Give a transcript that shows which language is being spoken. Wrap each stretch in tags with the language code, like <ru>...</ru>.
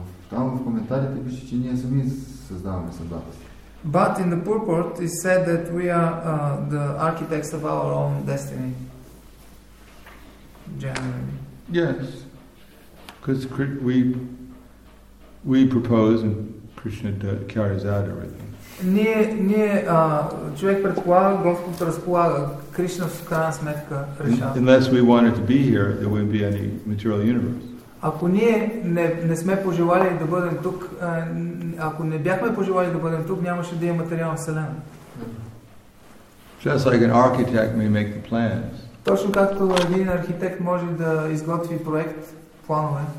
<bg>Там в коментарите пише, че ние сами създаваме съдбата си.</bg> <en>But in the purport is said that we are the architects of our own destiny. Generally. Yes. Because we propose and Krishna carries out everything.</en> <bg>Ние човек предполага, Господ разполага, Кришна в крайна сметка решава.</bg> <en>Unless we wanted to be here, there wouldn't be any material universe.</en> <bg>Ако ние не сме пожелали да бъдем тук, ако не бяхме пожелали да бъдем тук, нямаше да има материална вселена.</bg> <en>Just like an architect may make the plans.</en> <bg>Точно както един архитект може да изготви проект, планове.</bg>